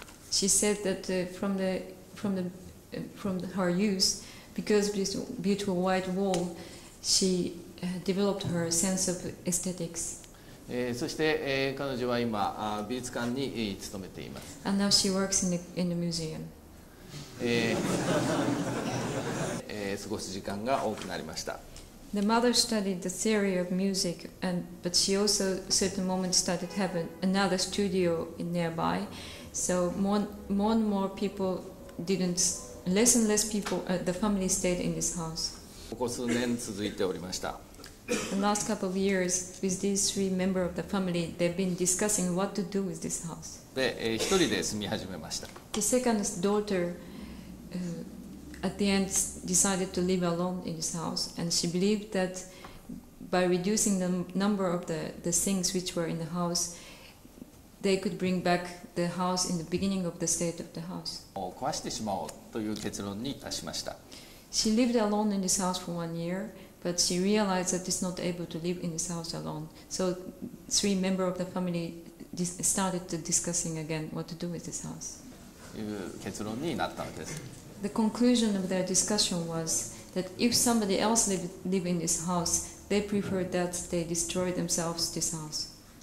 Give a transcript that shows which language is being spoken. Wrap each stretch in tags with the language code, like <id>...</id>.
<en>She said that from her youth, because of this beautiful white wall, she developed her sense of aesthetics.</en> <ja>そして彼女は今美術館に勤めています。</ja> <en>And now she works in the museum.</en> <ja>過ごす時間が多くなりました。</ja> <en>The mother studied the theory of music, but she also, certain moment, started having another studio nearby. So more and more people didn't, less and less people, the family stayed in this house.</en> <ja>ここ数年続いておりました。</ja> <en>The last couple of years, with these three members of the family, they've been discussing what to do with this house.</en> <ja>で、一人で住み始めました。</ja> <en>The second daughter, at the end, decided to live alone in this house, and she believed that by reducing the number of the things which were in the house, they could bring back the house in the beginning of the state of the house.</en> <ja>を壊してしまおうという結論に達しました。</ja> <en>She lived alone in this house for 1 year, but she realized that she's not able to live in this house alone. So three members of the family started discussing again what to do with this house. The conclusion of their discussion was that if somebody else live in this house, they prefer that they destroy themselves this house.</en>